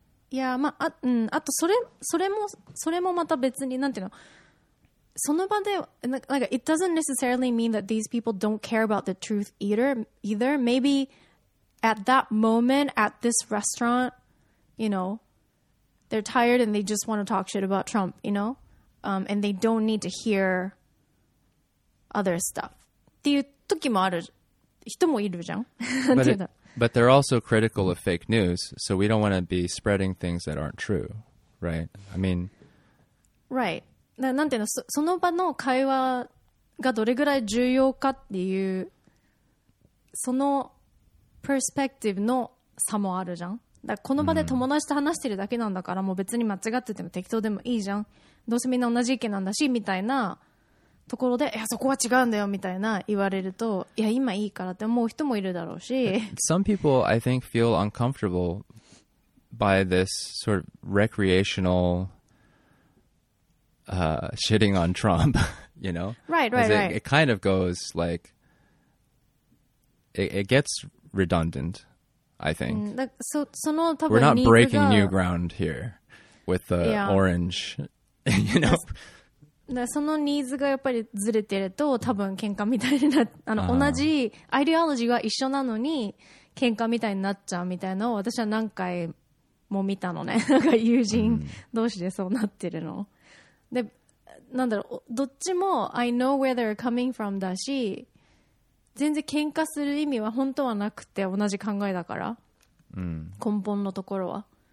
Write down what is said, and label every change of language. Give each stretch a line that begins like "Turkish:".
English: Yeah,
Japanese: まあ、うん、あとそれもまた別になんていうの、その場で、
English: like, it doesn't necessarily mean that these people don't care about the truth either. Maybe... At that moment, at this restaurant, you know, they're tired and they just want to talk shit about Trump, you know? And they don't need to hear other stuff.
Japanese: っていう時もある人もいるじゃん。
English: But they're also critical of fake news, so we don't want to be spreading things that aren't true, right? I mean...
Japanese: Right. なんていうの、その場の会話がどれぐらい重要かっていう、そのperspective の差もあるじゃん。だからこの場で友達と話してるだけなんだから、うん、もう別に間違ってても適当でもいいじゃん、どうせみんな同じ意見なんだしみたいなところで、いやそこは違うんだよみたいな言われると、いや今いいからって思う人もいるだろうし、
English: Some people I think feel uncomfortable by this sort of recreational shitting on Trump, you know? Right. It kind of goes like it gets redundant, I think.
Japanese: その多分
English: We're not breaking new ground here with the orange, you know.
Japanese: そのニーズがやっぱりずれてると多分喧嘩みたいになっ、同じアイデオロジーは一緒なのに喧嘩みたいになっちゃうみたいなのを私は何回も見たのね。なんか友人同士でそうなってるの。で、なんだろう、どっちも
English: I know where they're coming from
Japanese: だし、全然喧嘩する意味は本当はなくて同じ考えだから、根本のところは。